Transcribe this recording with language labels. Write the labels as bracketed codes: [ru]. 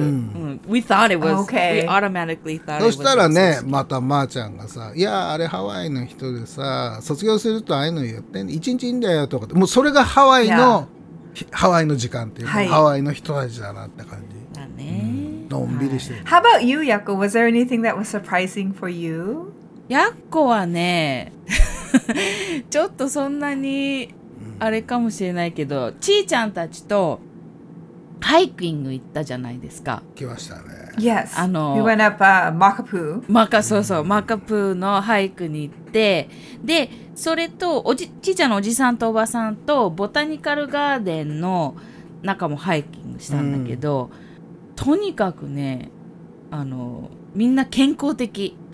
[en] うん。We thought it was. Okay. We automatically thought it was. [ja] そしたらね、またまーちゃんがさ、いやあれハワイの人でさ、卒業するとああいうの言って、ね、一日いいんだよとかって、もうそれがハワイの、 [en] yeah. [ja] ハワイの時間っていうか、はい、ハワイの人たちだなって感じ。だね、うん。のんびりして [en] る。How about you, Yako? Was there anything that was surprising for you? [ja] ヤコはね。ちょっとそんなにあれかもしれないけど、うん、ちーちゃんたちとハイキング行ったじゃないですか。来ましたね。 [en] Yes. We went up Makapu. [ja] そうそう、マカプーのハイクに行って、で、それとちーちゃんのおじさんとおばさんとボタニカルガーデンの中もハイキングしたんだけど、うん、とにかくね、みんな健康的。